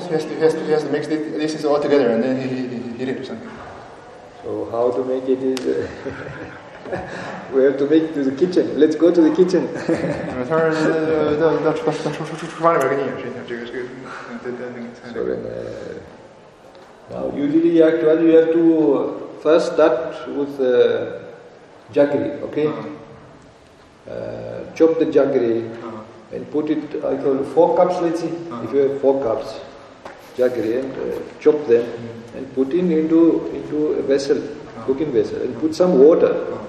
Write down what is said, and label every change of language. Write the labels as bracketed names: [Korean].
[English] has to mix this all together and then he did something. So how to make it is. We have to make it to the kitchen. Let's go to the kitchen. [Chinese] 他说，到厨房里边给你演示一下这个。 [English] Now usually actually you have to first start with the jaggery, okay? Chop the jaggery and put it, I call 4 cups, let's see. If you have 4 cups jaggery and chop them and put it into a vessel, cooking vessel, and put some water.